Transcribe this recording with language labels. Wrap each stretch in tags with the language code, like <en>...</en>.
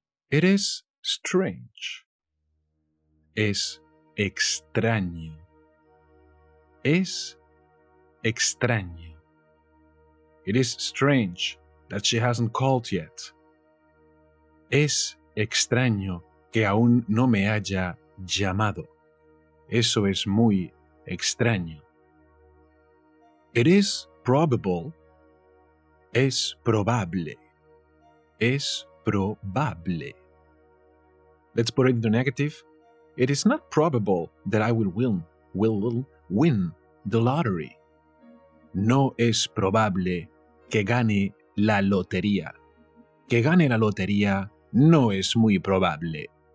<en>It is strange.</en> <es>Es extraño. Es extraño.</es> <en>It is strange that she hasn't called yet.</en> <es>Es extraño que aún no me haya llamado. Eso es muy extraño.</es> <en>It is probable.</en> <es>Es probable. Es probable.</es> <en>Let's put it in the negative. It is not probable that I will win the lottery.</en> <es>No es probable que gane la lotería. Que gane la lotería no es muy probable.</es>